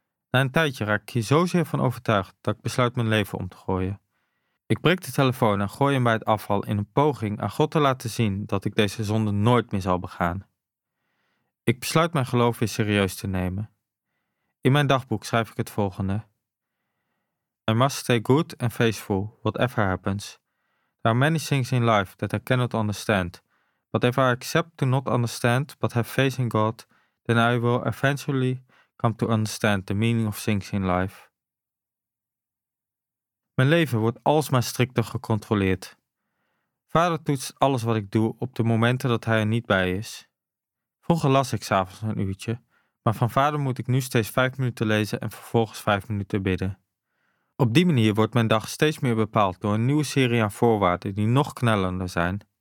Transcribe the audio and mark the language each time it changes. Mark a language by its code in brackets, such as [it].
[nl] Na een tijdje raak ik hier zozeer van overtuigd dat ik besluit mijn leven om te gooien. Ik breek de telefoon en gooi hem bij het afval in een poging aan God te laten zien dat ik deze zonde nooit meer zal begaan. Ik besluit mijn geloof weer serieus te nemen. In mijn dagboek schrijf ik het volgende. [en] I must stay good and faithful, whatever happens. There are many things in life that I cannot understand. But if I accept to not understand, but have faith in God, then I will eventually come to understand the meaning of things in life. [nl] Mijn leven wordt alsmaar strikter gecontroleerd. Vader toetst alles wat ik doe op de momenten dat hij er niet bij is. Vroeger las ik 's avonds een uurtje, maar van vader moet ik nu steeds 5 minuten lezen en vervolgens 5 minuten bidden. Op die manier wordt mijn dag steeds meer bepaald door een nieuwe serie aan voorwaarden die nog knellender zijn.